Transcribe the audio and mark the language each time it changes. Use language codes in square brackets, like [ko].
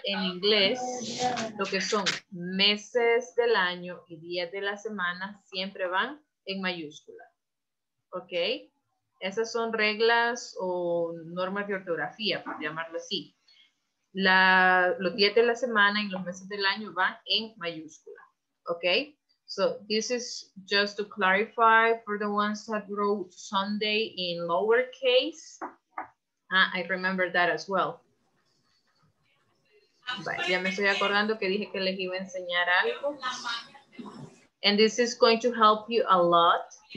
[es] En inglés, lo que son meses del año y días de la semana siempre van en mayúscula. ¿Ok? Esas son reglas o normas de ortografía, por llamarlo así. Los días de la semana y los meses del año van en mayúscula. ¿Ok? [en] So, this is just to clarify for the ones that wrote Sunday in lowercase. I remember that as well. [es] Bye. Ya me estoy acordando que dije que les iba a enseñar algo. [en] And this is going to help you a lot.